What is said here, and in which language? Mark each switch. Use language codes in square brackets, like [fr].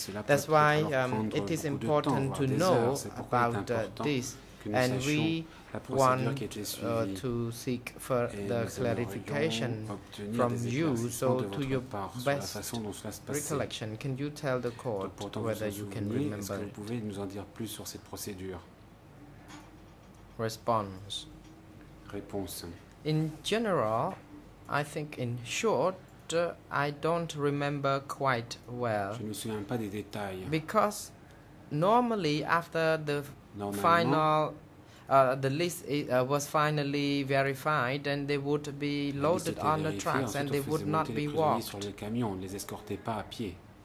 [en] That's why it is important to know about this, and we want to seek further clarification from you. So to your best recollection, can you tell the court whether you can remember it? [fr] Pouvez nous en dire plus sur cette procédure? [en] Response. [fr] Réponse. [en] In general, I think in short, I don't remember quite well. [fr] Je ne me souviens pas des détails. [en] Because normally after the final the list was finally verified and they would be loaded on the trucks and they would not be walked. [fr] Sur les camions, on les escortait pas à pied.